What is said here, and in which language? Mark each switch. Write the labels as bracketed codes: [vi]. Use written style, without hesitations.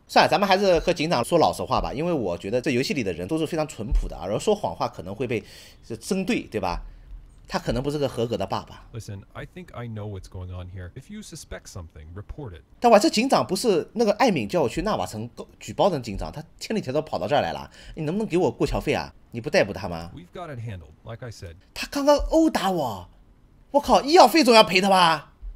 [zh] 算了，咱们还是和警长说老实话吧，因为我觉得这游戏里的人都是非常淳朴的，而说谎话可能会被针对，对吧？他可能不是个合格的爸爸。 [en] Listen, I think I know what's going on here. If you suspect something, report it. [zh] 但我这警长不是那个艾敏叫我去纳瓦城举报的警长，他千里迢迢跑到这儿来了。你能不能给我过桥费啊？你不逮捕他吗 ？ [en] We've got it handled, like I said. [zh] 他刚刚殴打我，我靠，医药费总要赔他吧？